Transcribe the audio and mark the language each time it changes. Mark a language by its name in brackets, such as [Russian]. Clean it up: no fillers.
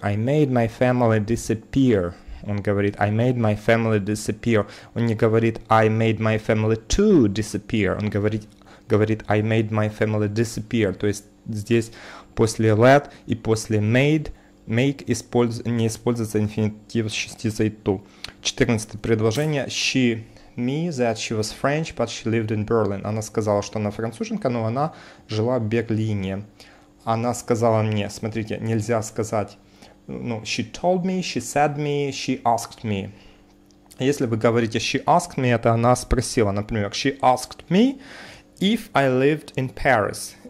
[English] I made my family disappear. [Russian] Он говорит, [English] I made my family disappear. [Russian] Он не говорит, [English] I made my family to disappear. [Russian] Он говорит, [English] I made my family disappear. [Russian] То есть здесь после let и после made, make не используется инфинитив с частицей to. 14 предложение. [English] She me that she was French, but she lived in Berlin. [Russian] Она сказала, что она француженка, но она жила в Берлине. Она сказала мне, смотрите, нельзя сказать, ну, [English] she told me, she said me, she asked me. [Russian] Если вы говорите [English] she asked me, [Russian] это она спросила, например, [English] she asked me if I lived in Paris.